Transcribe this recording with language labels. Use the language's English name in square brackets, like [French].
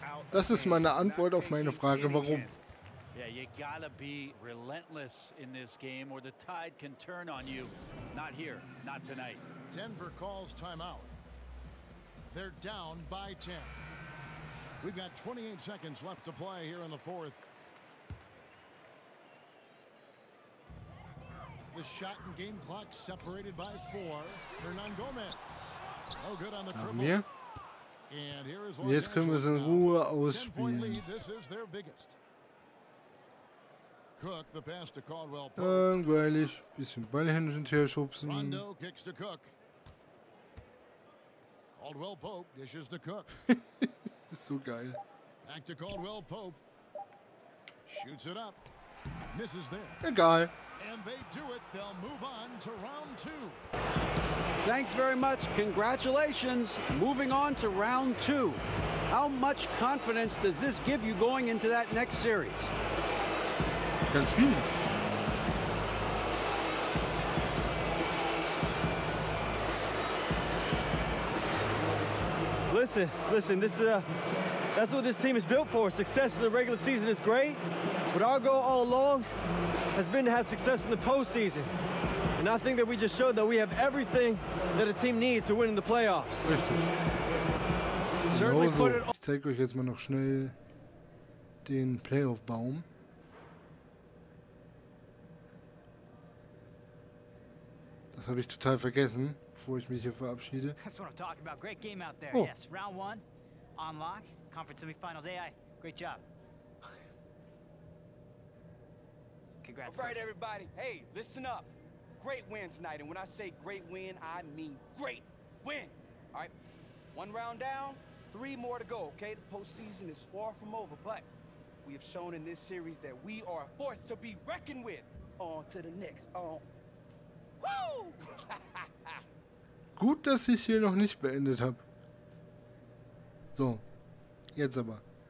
[German] Das ist meine Antwort auf meine Frage, warum. [English] Yeah, you gotta be relentless in this game or the tide can turn on you. Not here, not tonight. Denver calls timeout. They're down by 10. We've got 28 seconds left to play here in the fourth. The shot and game clock separated by 4. Hernan Gomez. Oh, good on the triple. And here is [German] Jetzt können wir es in Ruhe ausspielen. [English] This is their biggest. Cook, the pass to Caldwell. [German] Langweilig. Bisschen Ball hin und her schubsen. [English] Rondo kicks to Cook. Caldwell Pope dishes to Cook. [German] Das ist so geil. [English] Back to Caldwell Pope. Shoots it up. Misses there. [German] Egal. [English] And they do it. They'll move on to round 2. Thanks very much. Congratulations. Moving on to round 2. How much confidence does this give you going into that next series? [German] Ganz viel. [English] Listen, this is that's what this team is built for. Success in the regular season is great, but our goal all along has been to have success in the postseason. And I think that we just showed that we have everything that a team needs to win in the playoffs. [German] Richtig. Genauso. Ich zeige euch jetzt mal noch schnell den Playoff-Baum. Das habe ich total vergessen, bevor ich mich hier verabschiede. [English] That's what I'm talking about. Great game out there. Oh. Yes, round 1, on lock, conference semifinals AI. Great job. Congrats. All right, everybody. Hey, listen up. Great win tonight. And when I say great win, I mean great win. All right. 1 round down, 3 more to go, okay? The postseason is far from over, but we have shown in this series that we are a force to be reckoned with. On to the next. On. Woo! [German] Gut, dass ich hier noch nicht beendet habe. So. Jetzt aber.